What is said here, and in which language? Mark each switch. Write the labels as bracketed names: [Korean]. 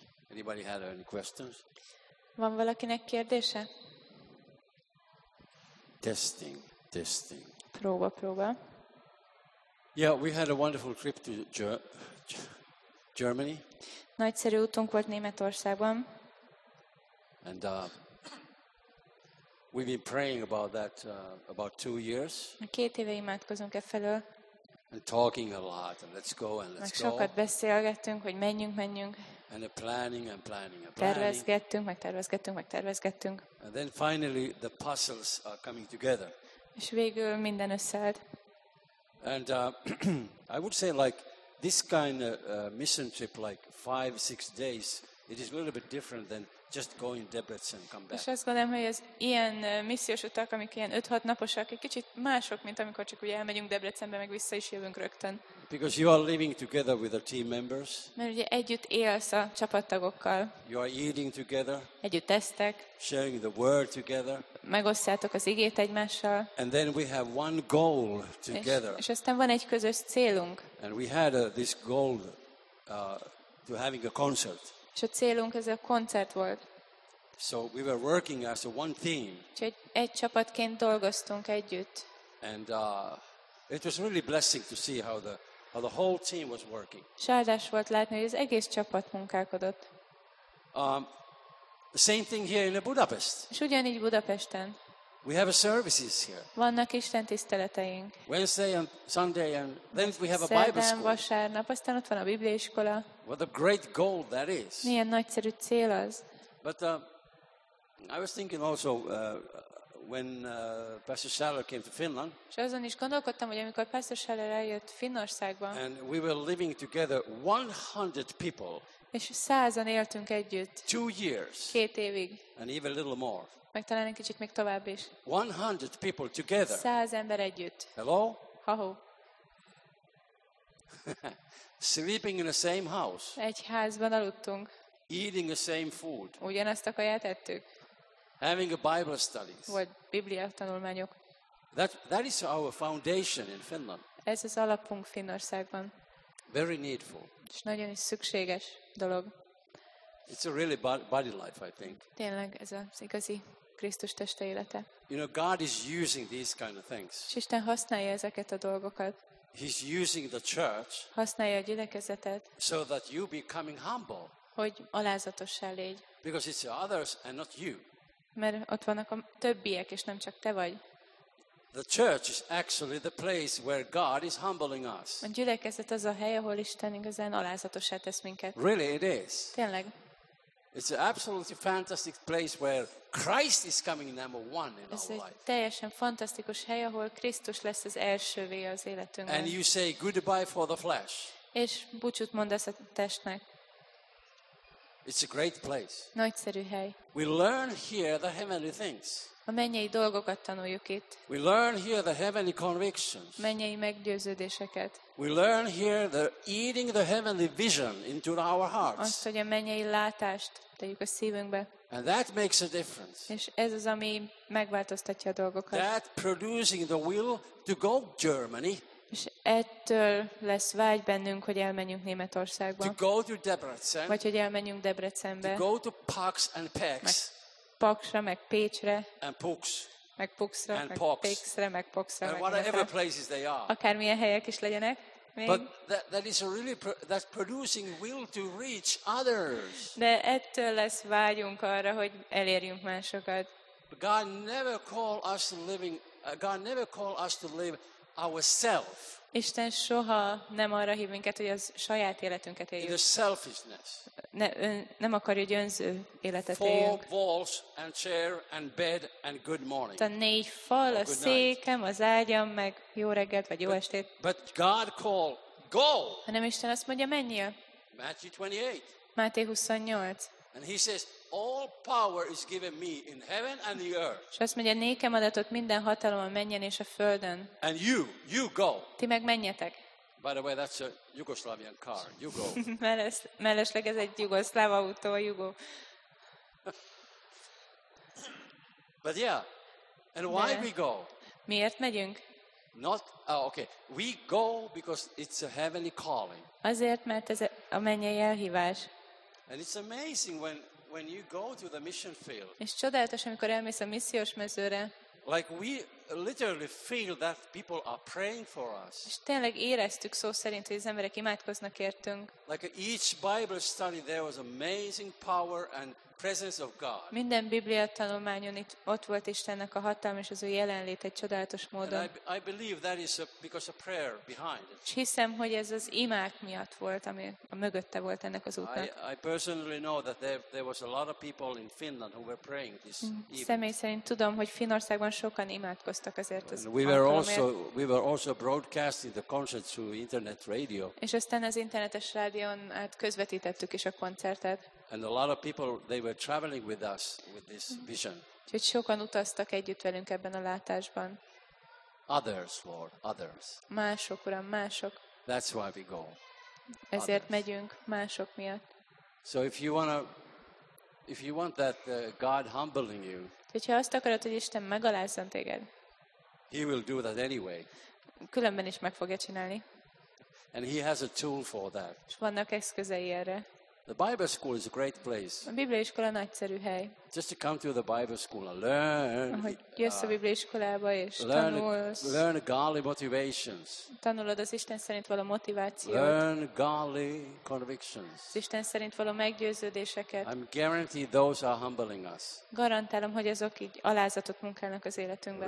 [English] Anybody had any questions? [Hungarian] Van valakinek kérdése? [English] Testing, testing. [Hungarian] Próba, próba. [English] Yeah, we had a wonderful trip to Germany. [Hungarian] Nagyszerű utunk volt Németországban. [English] And we've been praying about that about 2 years. [Hungarian] Két éve imádkozunk e felől. [English] And talking a lot, and let's go and let's go. [Hungarian] Sokat beszélgettünk, hogy menjünk, menjünk. [English] And planning and planning and [Hungarian] planning. Tervezgettünk, meg tervezgettünk, meg tervezgettünk. [English] And then finally the puzzles are coming together. [Hungarian] És végül minden összeállt. [English] And I would say like this kind of mission trip, like 5-6 days, it is a little bit different than just going to Debrecen and come back. [Hungarian] És azt gondolom, hogy ez ilyen missziós utak, amik ilyen 5-6 naposak, egy kicsit mások, mint amikor csak ugye elmegyünk Debrecenbe, meg vissza is jövünk rögtön. [English] Because you are living together with the team members. [Hungarian] Mert ugye együtt élsz a csapattagokkal. [English] You are eating together. [Hungarian] Együtt esztek. [English] Sharing the word together. [Hungarian] Megosztjátok az igét egymással. [English] And then we have one goal together. [Hungarian] És aztán van egy közös célunk. [English] And we had this goal to having a concert. [Hungarian] És a célunk ez a koncert volt. [English] So we were working as a one team. [Hungarian] Egy csapatként dolgoztunk együtt. [English] And it was really blessing to see how the whole team was working. [Hungarian] Csodás volt látni, hogy az egész csapat munkálkodott. [English] The same thing here in Budapest. [Hungarian] És ugyanígy Budapesten. [English] We have a services here. [Hungarian] Vannak istentiszteleteink. [English] Wednesday and Sunday, and then we have a Bible school. [Hungarian] Vasárnap, aztán ott van a bibliaiskola. [English] What a great goal that is. [Hungarian] Milyen nagyszerű cél az. [English] But I was thinking also when Pastor Schaller came to Finland. [Hungarian] És azon is gondolkodtam, hogy amikor Pastor Schaller eljött Finnországba. [English] And we were living together 100 people. [Hungarian] És 100-an éltünk együtt. [English] 2 years. [Hungarian] Két évig. [English] And even a little more. [Hungarian] Meg talán egy kicsit még tovább is. [English] 100 people together. [Hungarian] 100 ember együtt. [English] Hello? [Hungarian] Ha-ho. [English] Sleeping in the same house. [Hungarian] Egy házban aludtunk. [English] Eating the same food. [Hungarian] Ugyanazt a kaját ettük. [English] Having a Bible studies. [Hungarian] Vagy Biblia tanulmányok. [English] That is our foundation in Finland. [Hungarian] Ez az alapunk Finnországban. [English] Very needful. [Hungarian] És nagyon is szükséges dolog. [English] It's a really body life, I think. [Hungarian] Tényleg ez az igazi Krisztus teste élete. [English] You know, God is using these kind of things. [Hungarian] És Isten használja ezeket a dolgokat. [English] He's using the church. [Hungarian] Használja a gyülekezetet. [English] So that you becoming humble. [Hungarian] Hogy alázatossá légy. [English] Because it's the others and not you. [Hungarian] Mert ott vannak a többiek, és nem csak te vagy. [English] The church is actually the place where God is humbling us. [Hungarian] A gyülekezet az a hely, ahol Isten igazán alázatossá tesz minket. [English] Really it is. [Hungarian] Tényleg. [English] It's an absolutely fantastic place where Christ is coming number one in our life. [Hungarian] Ez egy teljesen fantasztikus hely, ahol Krisztus lesz az elsővé az életünkben. [English] And you say goodbye for the flesh. [Hungarian] És búcsút mondasz a testnek. [English] It's a great place. [Hungarian] Nagyszerű hely. [English] We learn here the heavenly things. [Hungarian] A mennyei dolgokat tanuljuk itt. [English] We learn here the heavenly convictions. [Hungarian] Mennyei meggyőződéseket. [English] We learn here the eating the heavenly vision into our hearts. [Hungarian] Azt, hogy a mennyei látást tegyük a szívünkbe. [English] And that makes a difference. [Hungarian] És ez az, ami megváltoztatja a dolgokat. [English] That producing the will to go Germany. [Hungarian] És ettől lesz vágy bennünk, hogy elmenjünk Németországba. [English] To go to Debrecen. [Hungarian] Vagy hogy elmenjünk Debrecenbe. [English] To go to Pax and Pex. [Hungarian] Paksra, meg Pécsre, [English] and Pux, [Hungarian] meg Puxra, and meg Pécsre, meg Puxra, [English] and whatever places they are. [Hungarian] Akármilyen helyek is legyenek. Még. [English] But that is a really that's producing will to reach others. [Hungarian] De ettől lesz vágyunk arra, hogy elérjünk másokat. [English] God never call us to living. God never call us to live ourselves. [Hungarian] Isten soha nem arra hív minket, hogy az saját életünket éljük. [English] In the selfishness. [Hungarian] Nem akarja, hogy önző életet éljük. [English] Four walls and chair and bed and good morning. [Hungarian] A négy fal, a székem, az ágyam, meg jó reggelt, vagy jó estét. [English] But God call, go! [Hungarian] Hanem Isten azt mondja, menjél. [English] Matthew 28. [Hungarian] Máté 28. [English] And he says, all power is given me in heaven and the earth. [Hungarian] És azt mondja, nékem adatot minden hatalom a mennyen és a földön. [English] And you go. [Hungarian] Ti meg menjetek. [English] By the way, that's a Yugoslavian car. You go. [Hungarian] Mellesleg ez egy jugoszláv autó, a Jugo. [English] But yeah. And why we go? [Hungarian] Miért megyünk? [English] Not okay. We go because it's a heavenly calling. [Hungarian] Azért, mert ez a mennyei elhívás. [English] And it's amazing when you go to the mission field. [Hungarian] És csodálatos, amikor elmész a missziós mezőre. [English] Like we literally feel that people are praying for us. [Hungarian] És tényleg éreztük szó szerint, hogy az emberek imádkoznak értünk. [English] Like each Bible study there was amazing power and presence of God. [Hungarian] Minden Biblia tanulmányon itt ott volt Istennek a hatalma és az ő jelenlét egy csodálatos módon. [English] I believe that is because of prayer behind it. [Hungarian] Hiszem, hogy ez az imák miatt volt, ami a mögötte volt ennek az útnak. [English] I personally know that there was a lot of people in Finland who were praying this. [Hungarian] Személy szerint tudom, hogy Finnországban sokan imádkoztak ezért az. [English] We were also broadcasting the concert through internet radio. [Hungarian] És aztán az internetes rádión át közvetítettük is a koncertet. [English] And a lot of people they were traveling with us with this vision. [Hungarian] Úgyhogy sokan utaztak együtt velünk ebben a látásban. [English] Others, Lord, others. [Hungarian] Mások, Uram, mások. [English] That's why we go. [Hungarian] Ezért megyünk mások miatt. [English] So if you want that God humbling you. [Hungarian] Úgyhogy azt akarod, hogy Isten megalázzon téged. [English] He will do that anyway. [Hungarian] Különben is meg fogja csinálni. [English] And he has a tool for that. [Hungarian] És vannak eszközei erre. [English] The Bible school is a great place. [Hungarian] A Biblia iskola nagyszerű hely. [English] Just to come to the Bible school and learn. [Hungarian] Hogy jössz a Biblia iskolába és tanulsz. [English] Learn godly motivations. [Hungarian] Tanulod az Isten szerint való motivációt. [English] Learn godly convictions. [Hungarian] Az Isten szerint való meggyőződéseket. [English] I'm guaranteed those are humbling us. [Hungarian] Garantálom, hogy azok így alázatot munkálnak az életünkben.